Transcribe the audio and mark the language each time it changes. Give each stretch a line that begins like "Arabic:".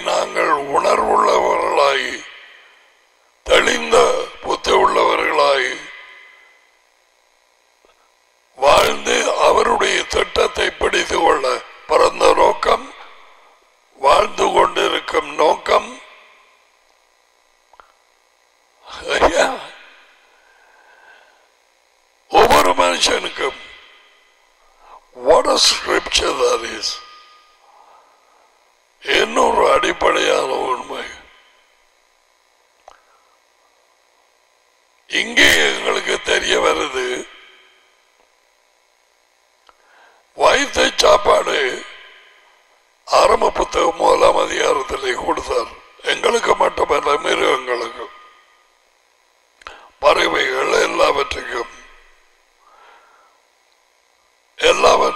Tamil: நாங்கள் உணர்வுள்ளவர்களாய், தெளிந்த புத்தி உள்ளவர்களாய் வாழ்ந்து அவருடைய திட்டத்தை பிடித்து கொள்ள, பிறந்த நோக்கம், வாழ்ந்து கொண்டிருக்கும் நோக்கம், ஒவ்வொரு மனுஷனுக்கும்.
English: What a scripture that is!
Tamil: இன்னொரு அடிப்படையான உண்மை இங்கே எங்களுக்கு தெரிய வருது. வயிற்று சாப்பாடு ஆரம்ப புத்தகம் 1 அதிகாரத்திலே கொடுத்தார், எங்களுக்கு மட்டுமல்ல மிருகங்களுக்கும் பறவைகள் எல்லாவற்றுக்கும் எல்லாவற்றையும்